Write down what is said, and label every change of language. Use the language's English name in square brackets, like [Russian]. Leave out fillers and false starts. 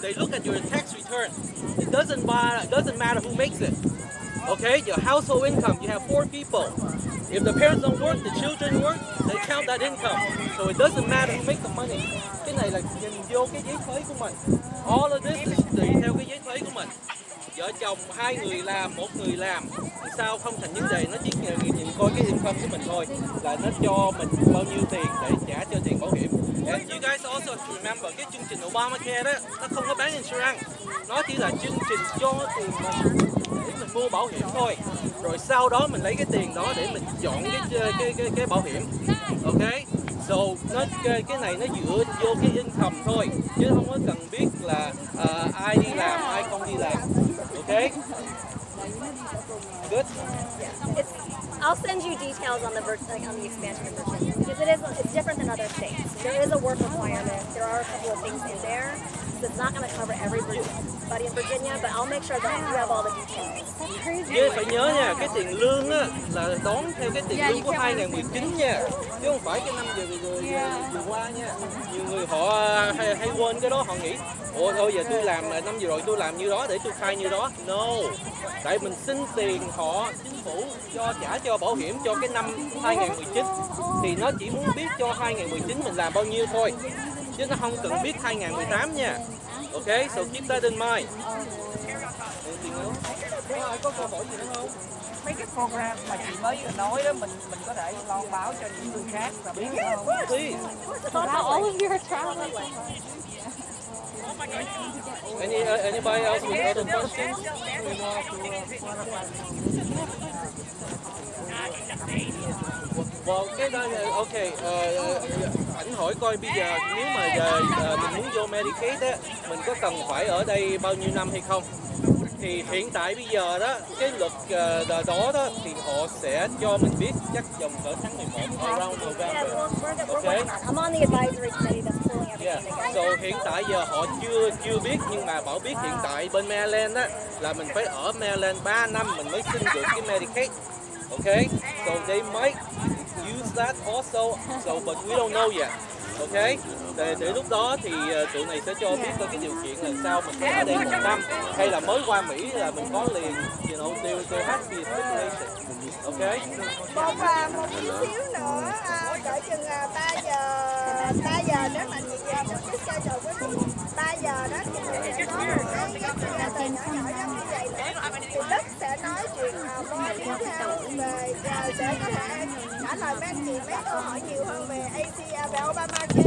[English] They look at your tax return. It doesn't buy, doesn't matter who makes it. Okay, your household income, you have four people. If the parents don't work, the children work, they count that income. So it doesn't matter who makes the money. [Vietnamese] Cái này là nhìn vô cái giấy thuế của mình. [English] All of this is [Vietnamese] tùy theo cái giấy thuế của mình. Vợ chồng hai người làm, một người làm, sao không thành vấn đề, nó chỉ nhìn coi cái income của mình thôi. Là nó cho mình bao nhiêu tiền để trả cho tiền bảo hiểm. [English] And you guys also remember [Vietnamese] cái chương trình Obamacare đó, nó không có bán insurance, nó chỉ là chương trình cho tiền mình để mình mua bảo hiểm thôi. Rồi sau đó mình lấy cái tiền đó để mình chọn cái bảo hiểm. Ok, so nó cái này nó dựa vô cái income thôi, chứ không có cần biết là ai đi làm ai không đi làm. [English] Ok, good. I'll send you details on the on the expansion of Virginia, because it's different than other states. There is a work requirement. There are a couple of things in there. So it's not going to cover everybody in Virginia, but I'll make sure that you have all the details. That's crazy. [Vietnamese] Yeah, phải nhớ nha, cái tiền lương á là đón theo cái tiền lương của 2019 nha. Chứ không phải cái năm vừa qua nha. Nhiều người họ hay quên cái đó, họ nghĩ ủa thôi giờ tôi làm năm vừa rồi tôi làm như đó để tôi khai như đó. No, tại mình xin tiền họ chính phủ cho trả cho bảo hiểm cho cái năm 2019 thì nó chỉ muốn biết cho 2019 mình làm bao nhiêu thôi, chứ nó không cần biết 2018 nha. [English] Ok, so keep that in mind. [Vietnamese] Mấy cái program mà chị mới vừa nói đó, mình có thể loan báo cho những người khác và biết không? [English] Yeah, of course. Please. I thought that all of you are traveling. Anybody else with other questions? [Vietnamese] Well, cái đó, okay, ảnh hỏi coi bây giờ nếu mà giờ mình muốn vô Medicaid á, mình có cần phải ở đây bao nhiêu năm hay không? Thì hiện tại bây giờ đó, cái luật đó thì họ sẽ cho mình biết chắc vòng cỡ tháng 11, [English] around November. Okay. I'm on the advisory committee that's pulling everything together. [Vietnamese] So hiện tại giờ họ chưa biết, nhưng mà bảo biết hiện tại bên Maryland á, là mình phải ở Maryland 3 năm mình mới xin được cái Medicaid. [English] Okay, so they might use that also, so but we don't know yet. [Vietnamese] Okay, để lúc đó thì tụi này sẽ cho biết cái điều kiện là sao mình ở đây một năm hay là mới qua Mỹ là mình có liền, you know, tiêu cho hết đi. Ok, một chút xíu nữa, đợi chừng 3 giờ nếu mà chị giao được cái xe chờ với 3 giờ đó thì sẽ có cái nhỏ nhỏ như vậy thì Đức sẽ nói chuyện với đi theo về sẽ có thể trả lời mấy chị mấy câu hỏi nhiều hơn về ACA và Obamacare.